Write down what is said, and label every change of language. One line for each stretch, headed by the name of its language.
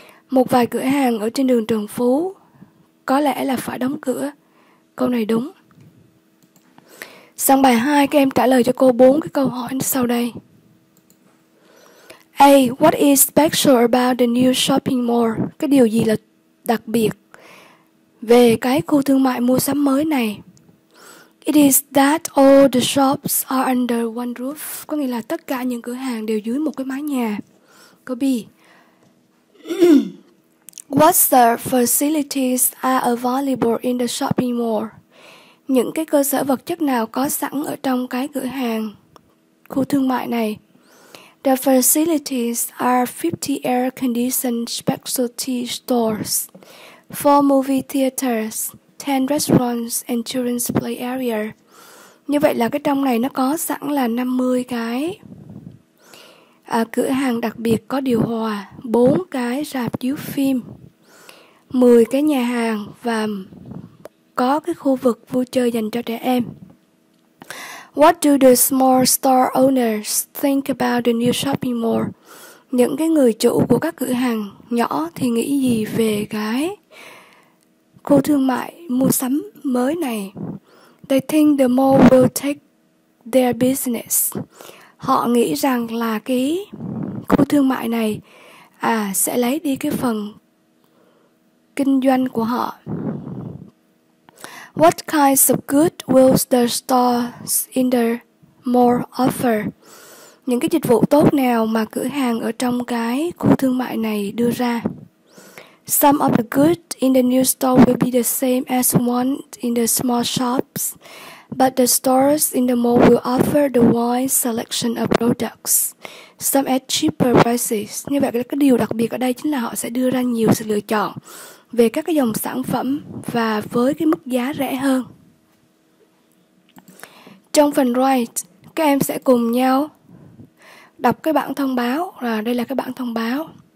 Vietnamese: Một vài cửa hàng ở trên đường Trần Phú có lẽ là phải đóng cửa. Câu này đúng. Sang bài 2, các em trả lời cho cô 4 cái câu hỏi sau đây. A.
English: What is special about the new shopping mall?
Vietnamese: Cái điều gì là đặc biệt về cái khu thương mại mua sắm mới này?
English: It is that all the shops are under one roof.
Vietnamese: Có nghĩa là tất cả những cửa hàng đều dưới một cái mái nhà. Câu B.
English: What sort of facilities are available in the shopping mall?
Vietnamese: Những cái cơ sở vật chất nào có sẵn ở trong cái cửa hàng khu thương mại này?
English: The facilities are 50 air-conditioned specialty stores, 4 movie theaters, 10 restaurants and children's play area.
Vietnamese: Như vậy là cái trong này nó có sẵn là 50 cái cửa hàng đặc biệt có điều hòa, 4 cái rạp chiếu phim, 10 cái nhà hàng và có cái khu vực vui chơi dành cho trẻ em.
English: What do the small store owners think about the new shopping mall?
Vietnamese: Những cái người chủ của các cửa hàng nhỏ thì nghĩ gì về cái khu thương mại mua sắm mới này?
English: They think the mall will take their business.
Vietnamese: Họ nghĩ rằng là cái khu thương mại này sẽ lấy đi cái phần kinh doanh của họ.
English: What kinds of goods will the stores in the mall offer?
Vietnamese: Những cái dịch vụ tốt nào mà cửa hàng ở trong cái khu thương mại này đưa ra?
English: Some of the goods in the new store will be the same as one in the small shops, but the stores in the mall will offer the wide selection of products, some at cheaper prices.
Vietnamese: Như vậy cái điều đặc biệt ở đây chính là họ sẽ đưa ra nhiều sự lựa chọn về các cái dòng sản phẩm và với cái mức giá rẻ hơn. Trong phần write, các em sẽ cùng nhau đọc cái bảng thông báo, rồi đây là cái bảng thông báo.